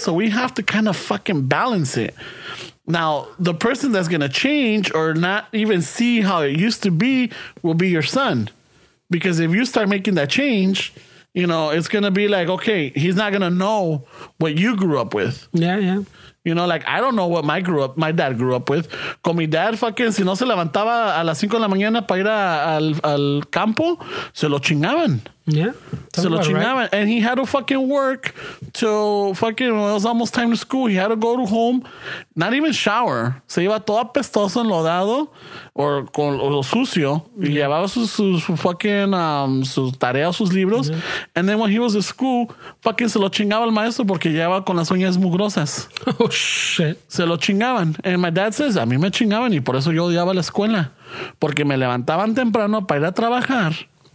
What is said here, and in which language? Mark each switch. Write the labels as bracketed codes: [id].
[en] So we have to kind of fucking balance it. Now, the person that's going to change or not even see how it used to be will be your son. Because if you start making that change, you know, it's going to be like, okay, he's not going to know what you grew up with. Yeah, yeah. You know, like, I don't know what my dad grew up with. [es] Con [en] mi dad, fucking, [es] si no se levantaba a las 5 de la mañana para ir al campo, se lo chingaban. [en] Yeah. [es] Se lo chingaban. [en] Right. And he had to fucking work till fucking, when it was almost time to school. He had to go to home, not even shower. [es] Se iba todo apestoso, enlodado, [en] or [es] con lo sucio. Yeah. Y llevaba sus [en] fucking, [es] sus tareas, sus libros. [en] Mm-hmm. And then when he was at school, fucking [es] se lo chingaba el maestro porque llevaba con las uñas mugrosas. [en] Oh, shit. [es] Se lo chingaban. [en] And my dad says, [es] a mí me chingaban y por eso yo odiaba la escuela. Porque me levantaban temprano para ir a trabajar.